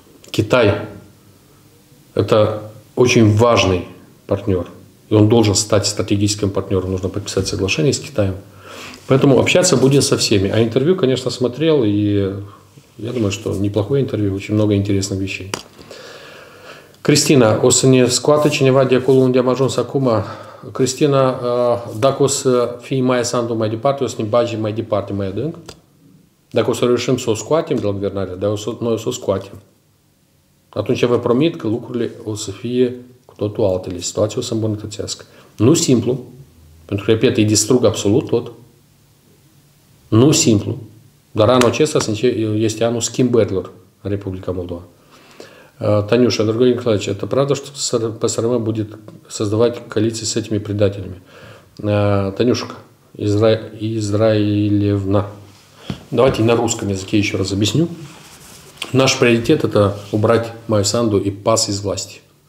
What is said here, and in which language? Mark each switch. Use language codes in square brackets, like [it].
[ru] Китай – это очень важный партнер. И он должен стать стратегическим партнером. Нужно подписать соглашение с Китаем. Поэтому общаться будем со всеми. А интервью, конечно, смотрел. И я думаю, что неплохое интервью. Очень много интересных вещей. [ro] Кристина, o să ne scoată cineva de acolo unde am ajuns acum? Кристина, dacă o să fie Maia Sandu mai departe, o să ne bage mai departe, mai adânc? Dacă o să reușim să o scoatem de la guvernare, noi o să o scoatem. Atunci vă promit că lucrurile o să fie cu totul altele. Situația o să îmbunătățească. Nu simplu, pentru că, repet, îi distrug absolut tot. Nu simplu. Dar anul acesta este anul schimbărilor în Republica Moldova. [ru] Танюша, дорогой Николаевич, это правда, что ПСРМ будет создавать коалиции с этими предателями? Танюшка, Израилевна, давайте на русском языке еще раз объясню. Наш приоритет – это убрать Майю Санду и ПАС из власти.